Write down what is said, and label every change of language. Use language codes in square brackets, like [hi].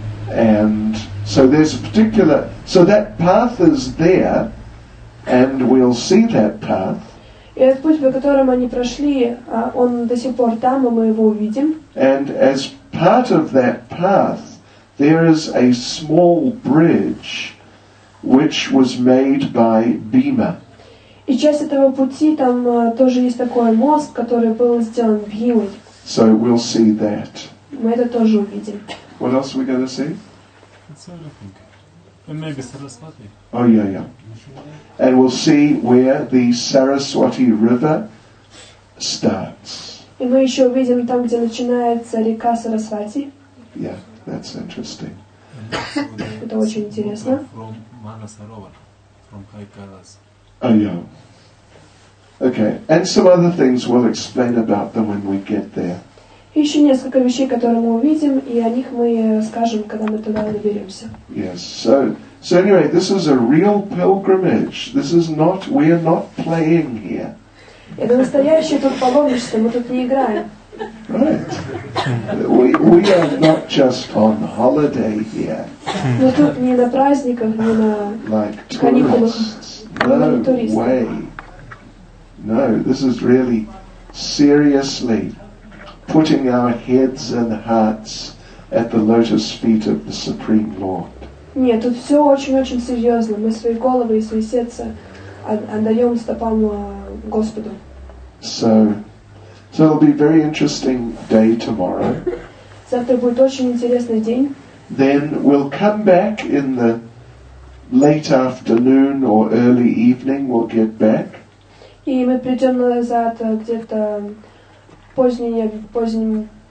[en] And so there's a particular, so that path is there, and we'll see that path. [ru] И этот путь, по которому они прошли, он до сих пор там, и мы его увидим. [en] And as part of that path, there is a small bridge, which was made by Bhima. [ru] И часть этого пути, там тоже есть такой мост, который был сделан Бхимой. [en] So we'll see that. [ru] Мы это тоже увидим. [en] What else are we going to see? It's everything. And maybe Saraswati. Oh, yeah, yeah. And we'll see where the Saraswati River starts. [ru] И мы еще увидим там, где начинается река Сарасвати. [en] Yeah, that's interesting. [ru] Это очень интересно. [en] From Manasarovar, from High Kailas. Oh, yeah. Okay, and some other things we'll explain about them when we get there. [ru] Еще несколько вещей, которые мы увидим, и о них мы расскажем, когда мы туда доберемся. [en] Yes, so anyway, this is a real pilgrimage. This is not, we are not playing here. [ru] Это настоящее тут паломничество, мы тут не играем. [en] Right. We are not just on holiday here. [ru] Мы тут не на праздниках, не на [en] like [ru] каникулах. [en] No way. No, this is really seriously putting our heads and hearts at the lotus feet of the Supreme Lord. [ru] Нет, тут все очень-очень серьезно. Мы свои головы и свои сердца отдаем стопам Господу. [en] So it'll be a very interesting day tomorrow. [ru] Завтра будет очень интересный день. [en] Then we'll come back in the late afternoon or early evening. We'll get back. [ru] И мы придем назад где-то поздним.